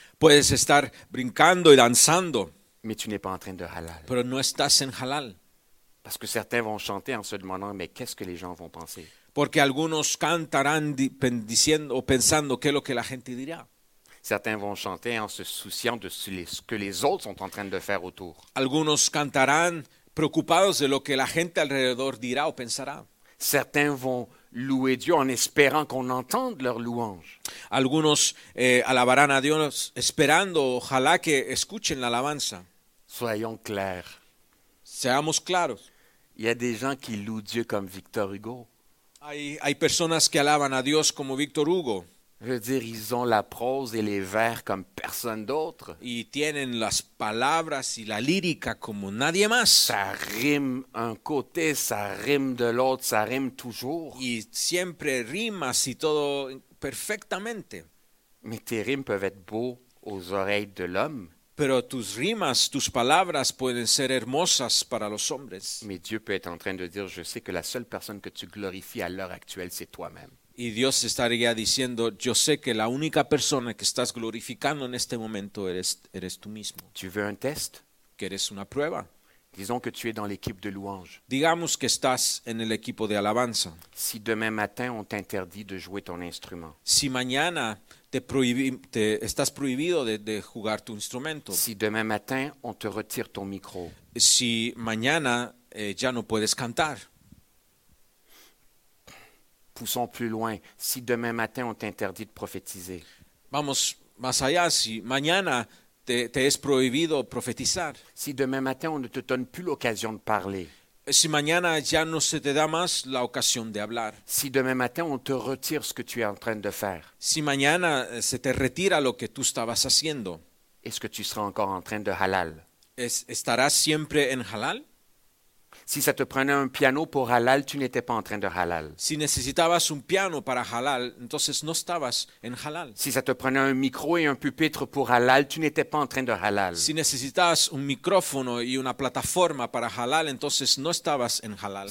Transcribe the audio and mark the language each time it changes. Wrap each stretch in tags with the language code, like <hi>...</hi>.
<es>Puedes estar brincando y danzando.</es> <fr>Mais tu n'es pas en train de halal.</fr> <es>Pero no estás en halal.</es> <fr>Parce que certains vont chanter en se demandant, mais qu'est-ce que les gens vont penser?</fr> <es>Porque algunos cantarán diciendo o pensando qué es lo que la gente dirá.</es> <fr>Certains vont chanter en se souciant de ce que les autres sont en train de faire autour.</fr> <es>Algunos cantarán preocupados de lo que la gente alrededor dirá o pensará.</es> <fr>Certains vont louer Dieu en espérant qu'on entende leur louange.</fr> <es>Algunos alabarán a Dios esperando, ojalá que escuchen la alabanza.</es> <fr>Soyons clairs.</fr> <es>Seamos claros.</es> <fr>Il y a des gens qui louent Dieu comme Victor Hugo.</fr> <es>Hay personas que alaban a Dios como Victor Hugo.</es> <fr>Je veux dire, ils ont la prose et les vers comme personne d'autre.</fr> <es>Y tienen las palabras y la lírica como nadie más.</es> <fr>Ça rime un côté, ça rime de l'autre, ça rime toujours.</fr> <es>Y siempre rimas y todo perfectamente.</es> <fr>Mais tes rimes peuvent être beaux aux oreilles de l'homme.</fr> <es>Pero tus rimas, tus palabras pueden ser hermosas para los hombres.</es> <fr>Mais Dieu peut être en train de dire, je sais que la seule personne que tu glorifies à l'heure actuelle, c'est toi-même.</fr> <es>Y Dios estaría diciendo, yo sé que la única persona que estás glorificando en este momento eres tú mismo.</es> <fr>Tu veux un test?</fr> <es>¿Quieres una prueba?</es> <fr>Disons que tu es dans l'équipe de louange.</fr> <es>Digamos que estás en el equipo de alabanza.</es> <fr>Si demain matin on t'interdit de jouer ton instrument.</fr> <es>Si mañana estás prohibido de jugar tu instrumento.</es> <fr>Si demain matin on te retire ton micro.</fr> <es>Si mañana ya no puedes cantar.</es> <fr>Poussons plus loin. Si demain matin on t'interdit de prophétiser.</fr> <es>Vamos más allá. Si mañana te es prohibido profetizar.</es> <fr>Si demain matin on ne te donne plus l'occasion de parler.</fr> <es>Si mañana ya no se te da más la ocasión de hablar.</es> <fr>Si demain matin on te retire ce que tu es en train de faire.</fr> <es>Si mañana se te retira lo que tú estabas haciendo.</es> <fr>Est-ce que tu seras encore en train de halal?</fr> <es>¿Estarás siempre en halal?</es> <fr>Si ça te prenait un piano pour halal, tu n'étais pas en train de halal.</fr> <es>Si necesitabas un piano para halal, entonces no estabas en halal.</es> <fr>Si ça te prenait un micro et un pupitre pour halal, tu n'étais pas en train de halal.</fr> <es>Si necesitabas un micrófono y una plataforma para halal, entonces no estabas en halal.</es>